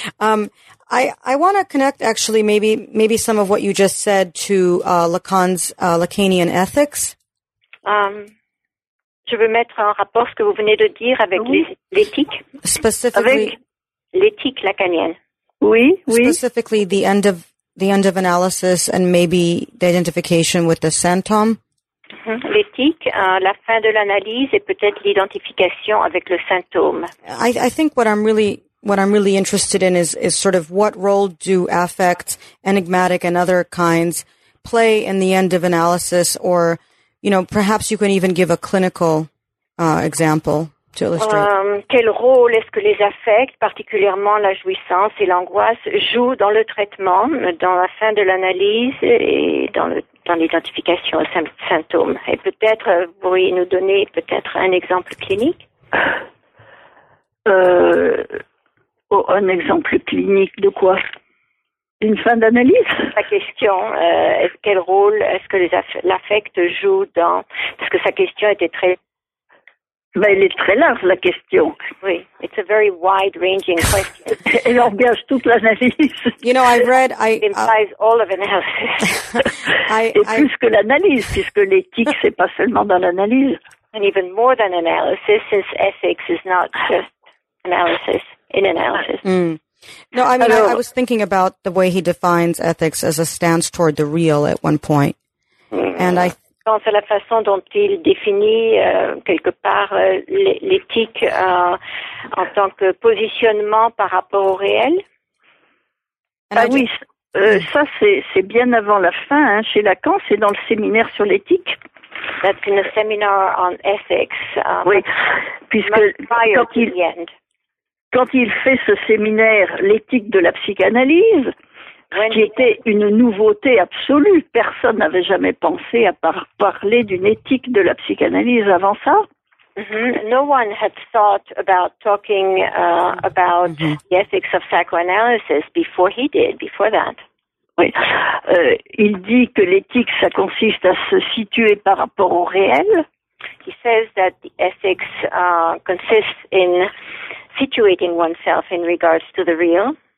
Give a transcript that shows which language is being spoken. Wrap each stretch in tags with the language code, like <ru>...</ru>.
<en>I want to connect actually maybe some of what you just said to Lacan's Lacanian ethics.</en> <fr>Je veux mettre en rapport ce que vous venez de dire avec l'éthique.</fr> <en>Specifically.</en> <fr>Avec l'éthique lacanienne. Oui.</fr> <en>Specifically, the end of analysis and maybe the identification with the symptom. Mm-hmm.</en> <fr>L'éthique, la fin de l'analyse et peut-être l'identification avec le symptôme.</fr> <en>I think what I'm really interested in is sort of what role do affects, enigmatic and other kinds, play in the end of analysis, or, you know, perhaps you can even give a clinical example to illustrate.</en> <fr>Quel rôle est-ce que les affects, particulièrement la jouissance et l'angoisse, jouent dans le traitement, dans la fin de l'analyse et dans l'identification aux symptômes? Et peut-être, vous pourriez nous donner peut-être un exemple clinique? Un exemple clinique de quoi? Une fin d'analyse? Sa question, quel rôle est-ce que l'affect joue dans... Parce que sa question était très... Ben, elle est très large, la question.</fr> <en>Oui, it's a very wide-ranging question.</en> <fr>Elle engage toute l'analyse.</fr> <en>You know, I've read... It implies all of analysis.</en> <fr>Plus que l'analyse, puisque l'éthique, c'est pas seulement dans l'analyse.</fr> <en>And even more than analysis, since ethics is not just analysis, in analysis. Mm. No, I mean, I was thinking about the way he defines ethics as a stance toward the real at one point. And I</en> <fr>think c'est la façon dont il définit quelque part l'éthique en tant que positionnement par rapport au réel. Ça c'est bien avant la fin hein, chez Lacan, c'est dans le séminaire sur l'éthique.</fr> <en>That's in a seminar on ethics.</en> <fr>Oui, puisque</fr> <en>prior to the end.</en> <fr>Quand il fait ce séminaire, l'éthique de la psychanalyse, qui était une nouveauté absolue, personne n'avait jamais pensé à parler d'une éthique de la psychanalyse avant ça. Mm-hmm.</fr> <en>No one had thought about talking about the ethics of psychoanalysis before he did, before that.</en> <fr>Oui. Il dit que l'éthique, ça consiste à se situer par rapport au réel.</fr> <en>He says that the ethics consists in situating oneself in regards to the real.</en>